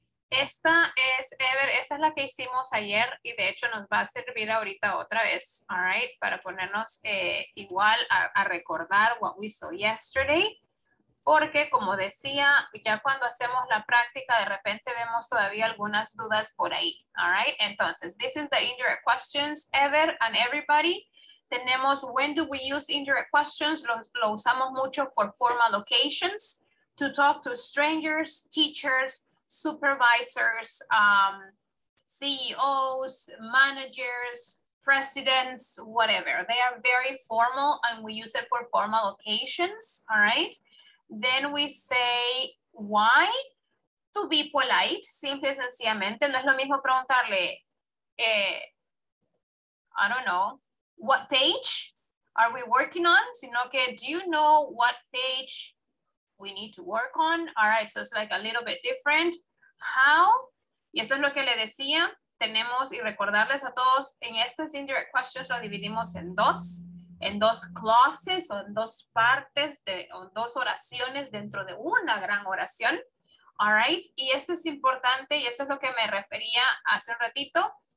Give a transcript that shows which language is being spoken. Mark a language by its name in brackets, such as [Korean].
[Spanish] Esta es, Ever, esa es la que hicimos ayer y de hecho nos va a servir ahorita otra vez, [English] all right, [Spanish] para ponernos igual a recordar [English] what we saw yesterday. [Spanish] Porque como decía, ya cuando hacemos la práctica, de repente vemos todavía algunas dudas por ahí, [English] all right. [Spanish] Entonces, [English] this is the indirect questions, Ever and everybody. [Spanish] Tenemos, [English] when do we use indirect questions? [Spanish] Lo usamos mucho [English] for formal occasions, to talk to strangers, teachers, supervisors, CEOs, managers, presidents, whatever. They are very formal and we use it for formal occasions, all right? Then we say, why? To be polite, [Spanish] simple y sencillamente. No es lo mismo preguntarle, [English] I don't know, what page are we working on? [Spanish] Sino que, [English] do you know what page we need to work on? All right, so it's like a little bit different. How? [Spanish] Y eso es lo que le decía. Tenemos, y recordarles a todos, en estas [English] indirect questions [Spanish] lo dividimos en dos clauses, o en dos partes, o dos oraciones dentro de una gran oración. [English] All right. [Spanish] Y esto es importante, y eso es lo que me refería hace un ratito.